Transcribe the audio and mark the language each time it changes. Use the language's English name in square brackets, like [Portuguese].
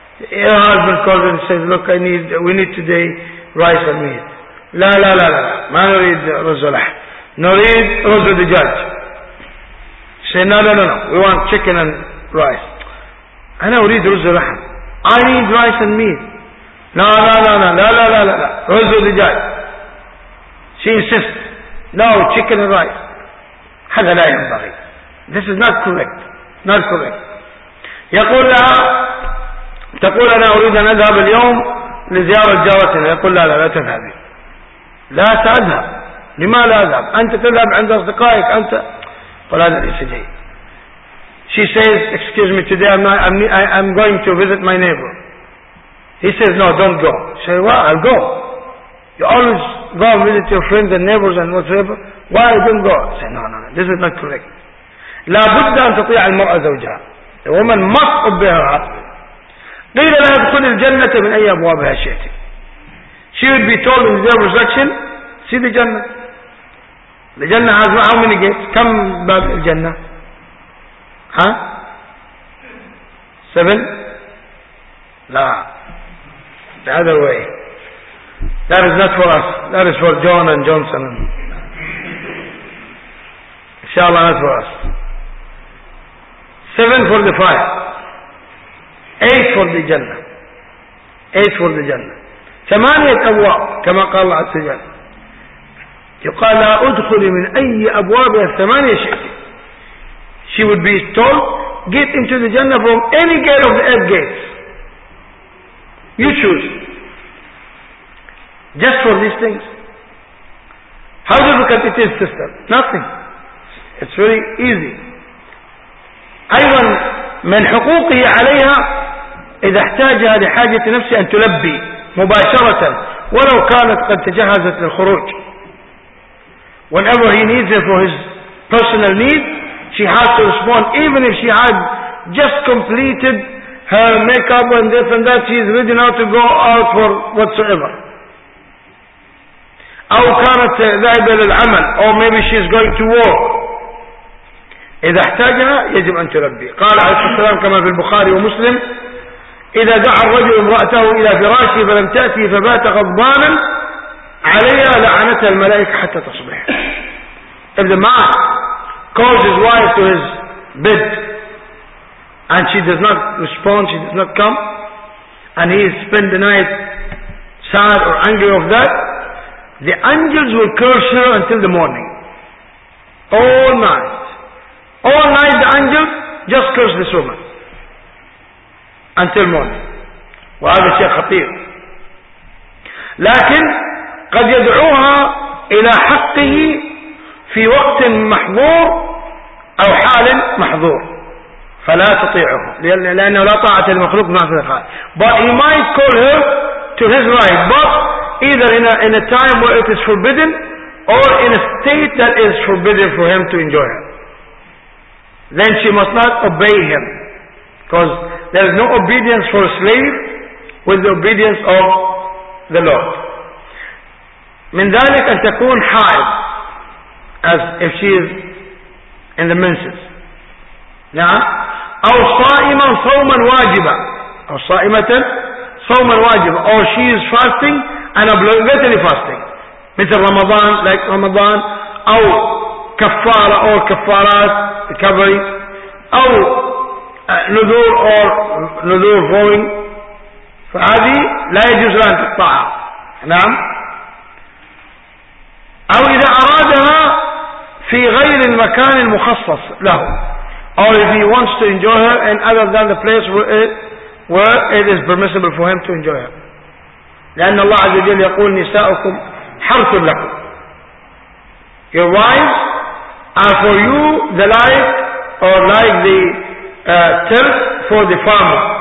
[English] Her husband calls and says, look, we need today rice and meat. [Arabic] لا لا لا لا، ما نريد رز ولحم. نريد رز ودجاج. [English] Say, no. We want chicken and rice. [Arabic] أنا أريد رز ولحم. [English] I need rice and meat. [Arabic] لا لا لا لا لا لا لا لا. رز ودجاج. [English] She insists. No, chicken and rice. [Arabic] هذا لا ينبغي. [English] This is not correct. Not correct. [Arabic] يقول لها، تقول أنا أريد أن أذهب اليوم لزيارة جارتنا. يقول لا لا تذهبي. لا تذهب. لماذا لا أذهب؟ أنت تذهب عند أصدقائك. أنت. قل هذا ليس جيد. [English] She says, excuse me, today I'm going to visit my neighbor. He says, no, don't go. She says, well, I'll go. You always go and visit your friends and neighbors and whatever. Why don't go? I say, no, this is not correct. [Arabic] لا بد أن تطيع المرأة زوجها. [English] The woman must obey her husband. [Arabic] قيل لها ادخل الجنة من أي أبوابها شئت. [English] She would be told in their resurrection, see the Jannah. The Jannah has how many gates? [Arabic] كم باب الجنة؟ ها؟ سبن؟ لا. [English] The other way. That is not for us. That is for John and Johnson. [Arabic] إن شاء الله [English] not for us. Seven for the fire. Eight for the Jannah. Eight for the Jannah. [Arabic] ثمانية أبواب كما قال الله عز وجل. يقال لا أدخل من أي أبواب الثمانية شئت. [English] She would be told, get into the Jannah from any gate of the eight gates. You choose. Just for these things. How difficult it is, sister? Nothing. It's very easy. [Arabic] أيضا من حقوقه عليها إذا احتاجها لحاجة نفسها أن تلبي مباشرة ولو كانت قد تجهزت للخروج. [English] Whenever he needs it for his personal needs, she has to respond, even if she had just completed her makeup and this and that, she is ready now to go out for whatsoever. [Arabic] أو كانت ذاهبة للعمل, [English] or maybe she is going to work. [Arabic] إذا احتاجها يجب أن تلبي. قال عليه الصلاة والسلام كما في البخاري ومسلم, إذا دعا الرجل امرأته إلى فراشه فلم تأتي فبات غضبانا عليها لعنتها الملائكة حتى تصبح. [English] If the man calls his wife to his bed and she does not respond, she does not come, and he spends the night sad or angry of that, the angels will curse her until the morning. All night. All night the angels just curse this woman. Until morning. [Arabic] وهذا شيء خطير. لكن قد يدعوها إلى حقه في وقت محظور أو حال محظور فلا تطيعه لأنه لا طاعة المخلوق ما في الخالق. [English] But he might call her to his right. But either in a time where it is forbidden or in a state that is forbidden for him to enjoy her, then she must not obey him, because there is no obedience for a slave with the obedience of the Lord. [Arabic] من ذلك أن تكون حائض, [English] as if she is in the menses. [Arabic] نعم. أو صائما صوما واجبا, أو صائمة صوما واجبا, أو [English] she is fasting and obligatory fasting, [Arabic] مثل رمضان, like رمضان, أو كفارة أو كفارات covering, أو نذور أو نذور going, فهذه لا يجوز لها أن تقطعها. نعم. أو إذا أرادها في غير المكان المخصص له, [English] or if he wants to enjoy her in other than the place where it is permissible for him to enjoy her. [Arabic] لأن الله عز وجل يقول نساؤكم حرث لكم, [English] your wives are for you the life, or like the turf for the farmer.